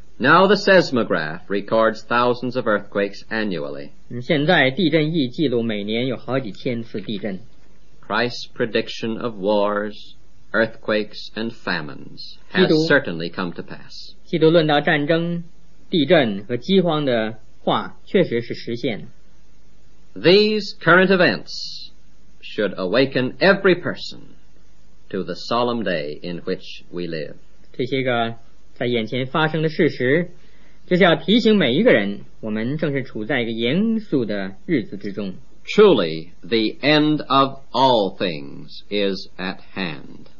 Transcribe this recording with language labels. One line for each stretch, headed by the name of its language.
English: Now the seismograph records thousands of earthquakes annually.
Chinese: 现在地震仪记录每年有好几千次地震。
English: Christ's prediction of wars, earthquakes, and famines has certainly come to pass.
Chinese: 基督论到战争、地震和饥荒的话确实是实现。
English: These current events should awaken every person to the solemn day in which we live.
Chinese: 这些个在眼前发生的事实，就是要提醒每一个人，我们正是处在一个严肃的日子之中。
English: Truly, the end of all things is at hand.